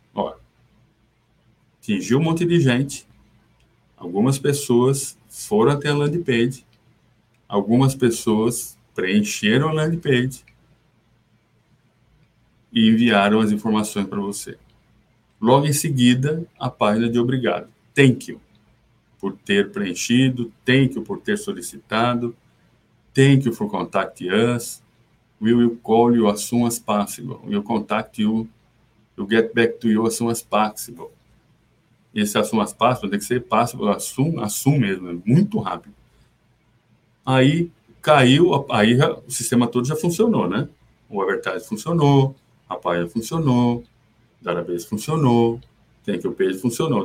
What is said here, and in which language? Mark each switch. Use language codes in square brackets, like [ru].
[pt] Ó, atingiu um monte de gente, algumas pessoas foram até a landing page, algumas pessoas preencheram a landing page e enviaram as informações para você. Logo em seguida, a página de obrigado. [en] Thank you [pt] por ter preenchido, [en] thank you [pt] por ter solicitado, [en] thank you for contact us, we will call you as soon as possible, we will contact you, we'll get back to you as soon as possible. [pt] Esse [en] as soon as possible [pt] tem que ser possible, as soon mesmo, muito rápido. Aí caiu, aí já, o sistema todo já funcionou, né? O advertise funcionou, a página funcionou, database funcionou, thank you page funcionou.